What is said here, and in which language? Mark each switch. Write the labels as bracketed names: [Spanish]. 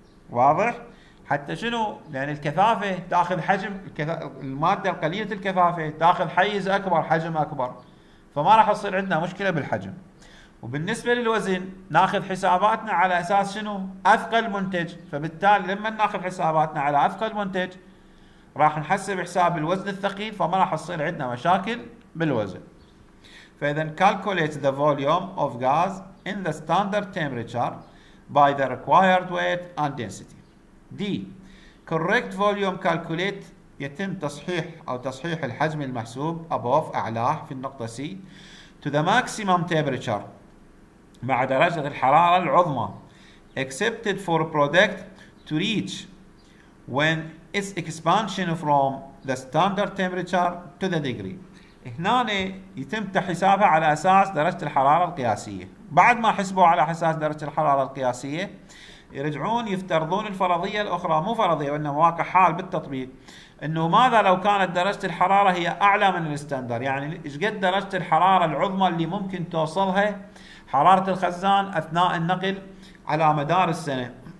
[Arabic] واضح؟ حتى شنو؟ لان الكثافه تاخذ حجم الماده القليله، الكثافه تاخذ حيز اكبر، حجم اكبر، فما راح تصير عندنا مشكله بالحجم. وبالنسبه للوزن ناخذ حساباتنا على اساس شنو؟ اثقل منتج. فبالتالي لما ناخذ حساباتنا على اثقل منتج راح نحسب حساب الوزن الثقيل، فما راح تصير عندنا مشاكل بالوزن. فاذا [English] calculate the volume of gas in the standard temperature by the required weight and density. D correct volume calculate، [Arabic] يتم تصحيح او تصحيح الحجم المحسوب [English] above [Arabic] اعلاه في النقطة C [English] to the maximum temperature، [Arabic] مع درجة الحرارة العظمى [English] accepted for product to reach when its expansion from the standard temperature to the degree. [Arabic] هنا يتم حسابها على اساس درجة الحرارة القياسية. بعد ما حسبوا على اساس درجة الحرارة القياسية يرجعون يفترضون الفرضية الأخرى، مو فرضية وإنما واقع حال بالتطبيق، إنه ماذا لو كانت درجة الحرارة هي أعلى من الستاندر؟ يعني إيش قد درجة الحرارة العظمى اللي ممكن توصلها حرارة الخزان أثناء النقل على مدار السنة؟